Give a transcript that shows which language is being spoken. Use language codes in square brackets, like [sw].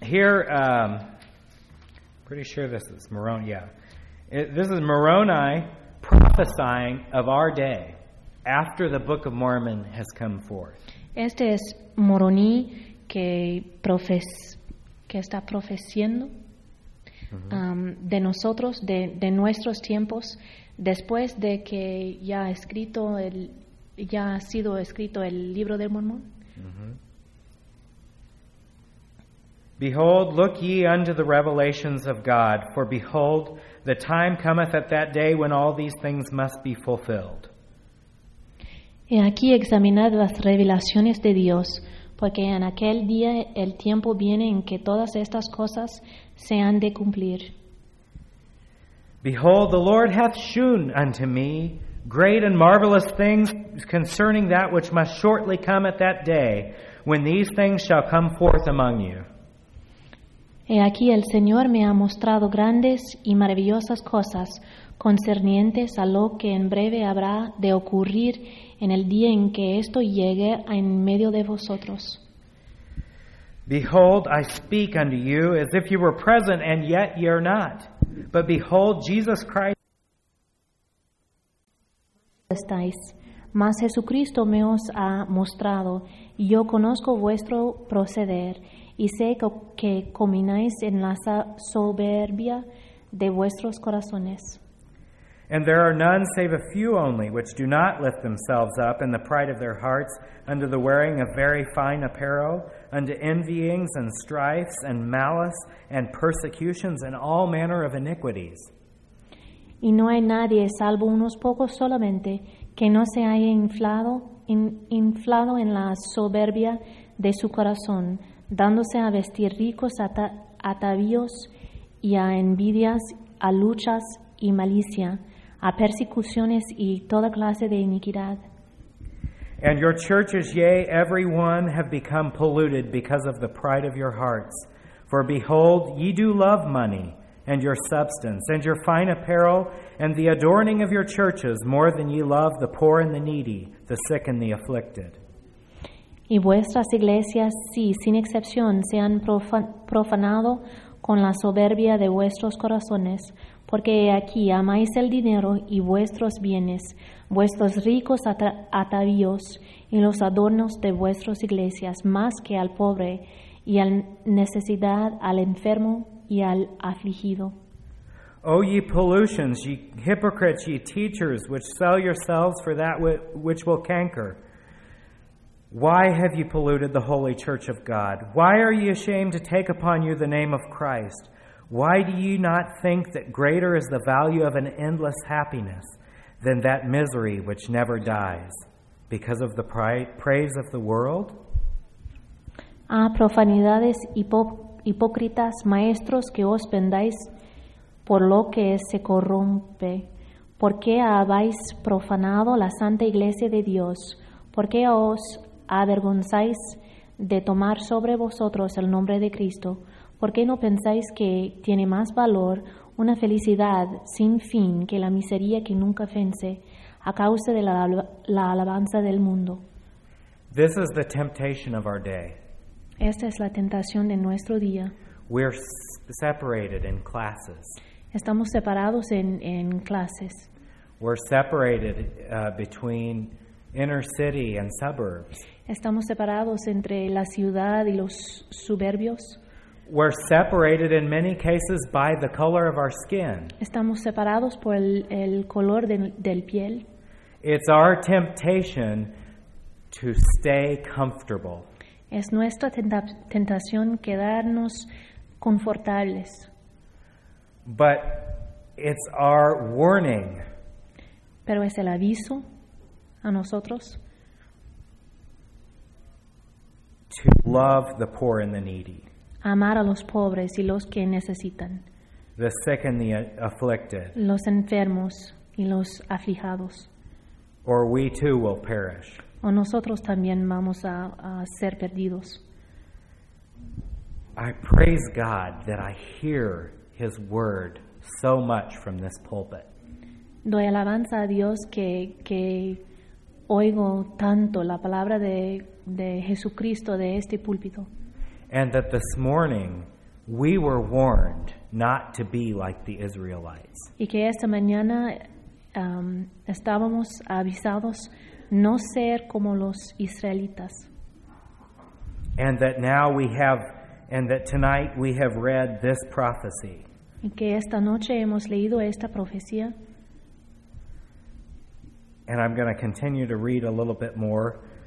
[en] And here, pretty sure this is Moroni. Yeah. This is Moroni prophesying of our day. After the Book of Mormon has come forth. [es] Este es Moroni que está profeciendo de nosotros, de nuestros tiempos, después de que ya escrito ya ha sido escrito el libro del Mormón. [en] Behold, look ye unto the revelations of God, for behold, the time cometh at that day when all these things must be fulfilled. [es] Y aquí examinad las revelaciones de Dios, porque en aquel día el tiempo viene en que todas estas cosas se han de cumplir. [en] Behold, the Lord hath shewn unto me great and marvelous things concerning that which must shortly come at that day, when these things shall come forth among you. [es] Y aquí el Señor me ha mostrado grandes y maravillosas cosas concernientes a lo que en breve habrá de ocurrir en el día en que esto llegue en medio de vosotros. [en] Behold, I speak unto you as if you were present and yet ye are not. But behold, Jesus Christ. [es] Estáis, mas Jesucristo me os ha mostrado, y yo conozco vuestro proceder, y sé que comináis en la soberbia de vuestros corazones. [en] And there are none save a few only which do not lift themselves up in the pride of their hearts unto the wearing of very fine apparel, unto envyings and strifes and malice and persecutions and all manner of iniquities. [es] Y no hay nadie salvo unos pocos solamente que no se haya inflado en la soberbia de su corazón, dándose a vestir ricos atavíos y a envidias, a luchas y malicia, a persecuciones y toda clase de iniquidad. [en] And your churches, yea, every one, have become polluted because of the pride of your hearts. For behold, ye do love money, and your substance, and your fine apparel, and the adorning of your churches, more than ye love the poor and the needy, the sick and the afflicted. [es] Y vuestras iglesias, sí, sin excepción, se han profanado con la soberbia de vuestros corazones, Porque aquí amáis el dinero y vuestros bienes, vuestros ricos atavíos y los adornos de vuestras iglesias más que al pobre y al necesidad, al enfermo y al afligido. [en] O ye pollutions, ye hypocrites, ye teachers, which sell yourselves for that which will canker. Why have ye polluted the holy church of God? Why are ye ashamed to take upon you the name of Christ? Why do ye not think that greater is the value of an endless happiness than that misery which never dies, because of the praise of the world? [es] Ah, profanidades hipócritas, maestros que os vendáis por lo que se corrompe. ¿Por qué habéis profanado la santa iglesia de Dios? ¿Por qué os avergonzáis de tomar sobre vosotros el nombre de Cristo? ¿Por qué no pensáis que tiene más valor una felicidad sin fin que la miseria que nunca vence a causa de la alabanza del mundo? [en] This is the temptation of our day. [es] Esta es la tentación de nuestro día. [en] We're separated in classes. [es] Estamos separados en clases. [en] We're separated between inner city and suburbs. [es] Estamos separados entre la ciudad y los suburbios. [en] We're separated in many cases by the color of our skin. [es] Estamos separados por el color del piel. [en] It's our temptation to stay comfortable. [es] Es nuestra tentación quedarnos confortables. [en] But it's our warning. [es] Pero es el aviso a nosotros. [en] To love the poor and the needy. [es] Amar a los pobres y los que necesitan. [en] The sick and the afflicted. [es] Los enfermos y los afligidos. [en] Or we too will perish. [es] O nosotros también vamos a ser perdidos. [en] I praise God that I hear His word so much from this pulpit. [es] Doy alabanza a Dios que oigo tanto la palabra de Jesucristo de este púlpito. [en] And that this morning we were warned not to be like the Israelites. [es] Y que esta mañana estábamos avisados no ser como los israelitas. [en] And that now we have, and that tonight we have read this prophecy. [es] Y que esta noche hemos leído esta profecía. [en] And I'm going to continue to read a little bit more.